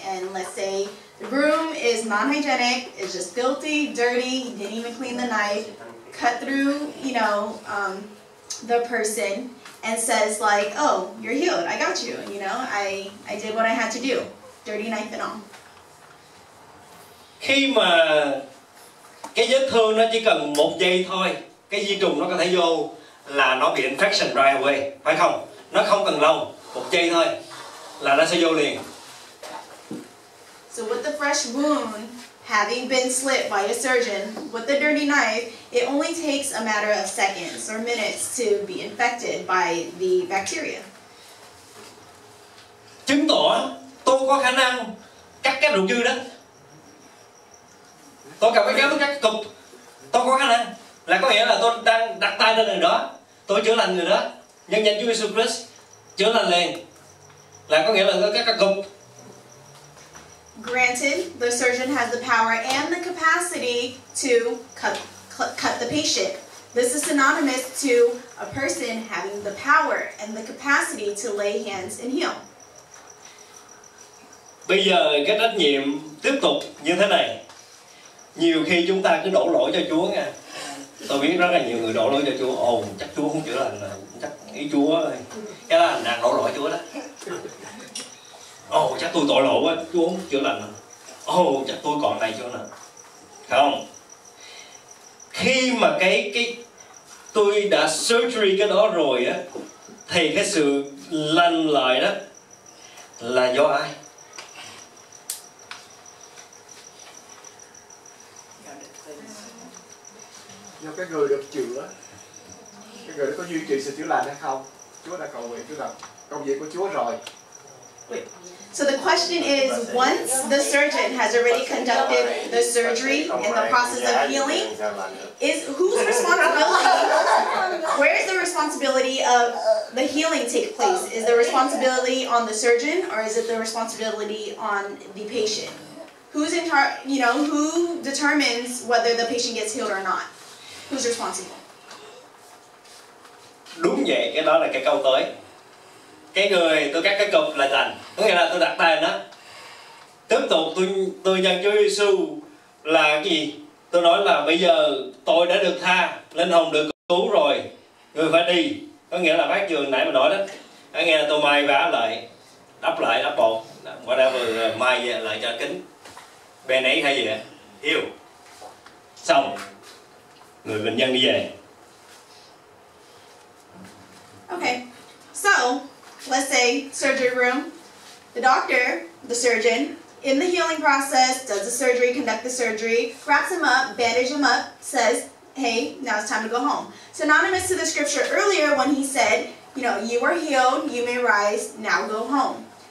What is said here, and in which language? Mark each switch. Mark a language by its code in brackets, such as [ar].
[en] And let's say the room is non-hygienic, it's just filthy, dirty, he didn't even clean the knife. Cut through, you know, the person and says like, oh, you're healed, I got you, you know, I did what I had to do, dirty knife and all. [vi] Khi mà cái vết thương nó chỉ cần một giây thôi, cái vi trùng nó có thể vô là nó bị [en] infection right away, [vi] phải không? Nó không cần lâu, một giây thôi là nó sẽ vô liền. [en] So with the fresh wound, having been slit by a surgeon with a dirty knife, it only takes a matter of seconds or minutes to be infected by the bacteria. [vi] Chứng tỏ tôi có khả năng cắt cái ruột dư đó. Tôi cầm cái kéo tôi cắt cục. Tôi có khả năng. Là có nghĩa là tôi đang đặt tay lên người đó. Tôi chữa lành người đó. Nhân danh Chúa Jesus Christ chữa lành liền. Là có nghĩa là tôi cắt cái cục. [en] Granted, the surgeon has the power and the capacity to cut the patient. This is synonymous to a person having the power and the capacity to lay hands and heal. [vi] Bây giờ cái trách nhiệm tiếp tục như thế này. Nhiều khi chúng ta cứ đổ lỗi cho Chúa nha. Tôi biết rất là nhiều người đổ lỗi cho Chúa. Ồ, chắc Chúa không chữa lành, chắc ý Chúa thôi. Cái đó là nàng đổ lỗi Chúa đó. Ồ, chắc tôi tội lỗi quá, Chúa không chữa lành. Ồ, chắc tôi còn này chỗ nào. Không. Khi mà cái tôi đã surgery cái đó rồi á, thì cái sự lành lại đó là do ai? Do cái người được chữa. Cái người đó có duy trì sự chữa lành hay không? Chúa đã cầu nguyện, Chúa làm công việc của Chúa rồi. [en] So the question is, once the surgeon has already conducted the surgery and the process of healing, is whose responsibility, where is the responsibility of the healing take place? Is the responsibility on the surgeon or is it the responsibility on the patient? Who's in charge, you know, who determines whether the patient gets healed or not? Who's responsible? [vi] Đúng vậy, cái đó là cái câu tới. Cái người tôi cắt cái cục là lành, có nghĩa là tôi đặt tay nó. Tiếp tục tôi nhận Chúa Giêsu là cái gì? Tôi nói là bây giờ tôi đã được tha, linh hồn được cứu rồi, người phải đi. Có nghĩa là bác Trường nãy mà nói đó, đã nghe là tôi may vá lại, đắp lại, đắp bột, whatever, may lại cho kính, bè nấy hay gì đó, yêu. Xong, người bệnh nhân đi về. [en] Okay, so, let's say surgery room, the doctor, the surgeon, in the healing process, does the surgery, conduct the surgery, wraps him up, bandage him up, says, hey, now it's time to go home. Synonymous to the scripture earlier when he said, you know, you are healed, you may rise, now go home.